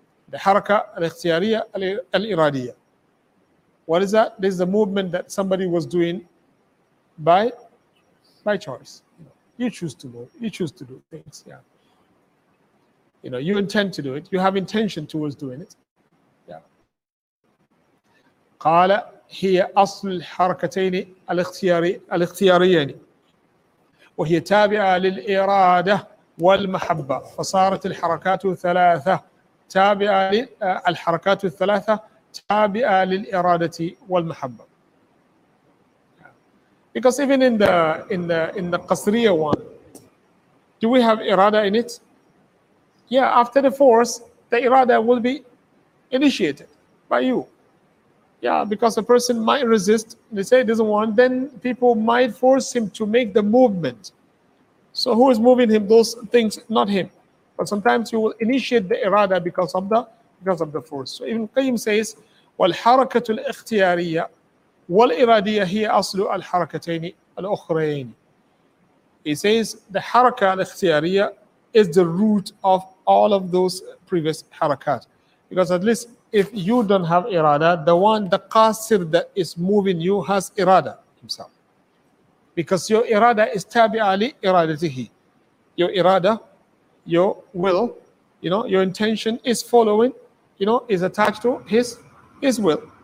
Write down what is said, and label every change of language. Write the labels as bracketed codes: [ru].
[en] The haraka al-ikhtiyariyya al-iradiyya. What is that? This is the movement that somebody was doing by choice. You choose to move. You choose to do things. Yeah. You know, you intend to do it. You have intention towards doing it. [ar] قال هي أصل الحركتين الاختياريين وهي تابعة للإرادة والمحبة فصارت الحركات ثلاثة تابعة للحركات الثلاثة تابعة للإرادة والمحبة. [en] Because even in the قصرية one, do we have إرادة in it? Yeah, after the force, the إرادة will be initiated by you. Yeah, because a person might resist, they say he doesn't want, then people might force him to make the movement. So who is moving him? Those things, not him. But sometimes you will initiate the irada because of the force. So Ibn Qayyim says, [ar] وَالْحَرَكَةُ الْإِخْتِيَارِيَّةِ وَالْإِرَادِيَّةِ هِيَ أَصْلُ الْحَرَكَتَيْنِ الْأُخْرَيْنِ. [en] He says, the haraka al-ikhtiyariyah is the root of all of those previous harakat. Because at least, if you don't have irada, the one, the qasir that is moving you has irada himself. Because your irada is tabi'ali iradatihi. Your irada, your will, you know, your intention is following, you know, is attached to his will.